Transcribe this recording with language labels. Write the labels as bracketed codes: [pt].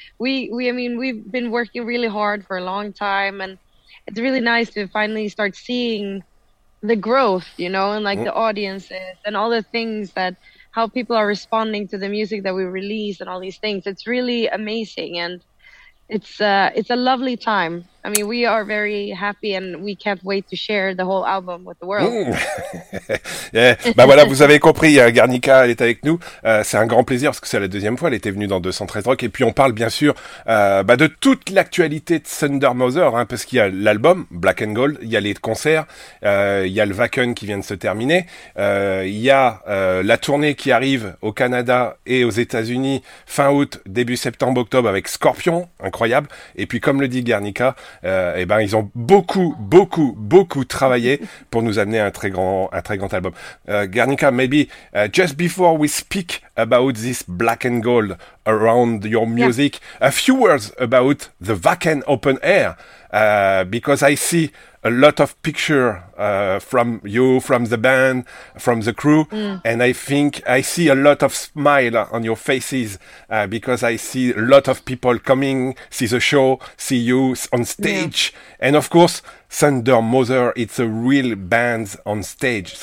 [en] I mean, we've been working really hard for a long time, and it's really nice to finally start seeing the growth, you know, and like the audiences and all the things that how people are responding to the music that we release and all these things. It's really amazing, and it's a lovely time. I mean, we are very happy and we can't wait to share the whole album with the world. [fr] Ben voilà, vous avez compris, Guernica, elle est avec nous. C'est un grand plaisir parce que c'est la deuxième fois, elle était venue dans 213 Rock. Et puis on parle bien sûr de toute l'actualité de Thunder Mother, hein, parce qu'il y a l'album Black and Gold, il y a les concerts, il y a le Wacken qui vient de se terminer, il y a la tournée qui arrive au Canada et aux États-Unis fin août, début septembre, octobre avec Scorpion, incroyable. Et puis comme le dit Guernica, ils ont beaucoup, beaucoup, beaucoup travaillé pour nous amener un très grand album. [en] Guernica, maybe just before we speak about this black and gold around your music, a few words about the Wacken Open Air, because I see a lot of pictures from you, from the band, from the crew, and I think I see a lot of smile on your faces because I see a lot of people coming, see the show, see you on stage, and of course, Thunder Mother, it's a real band on stage.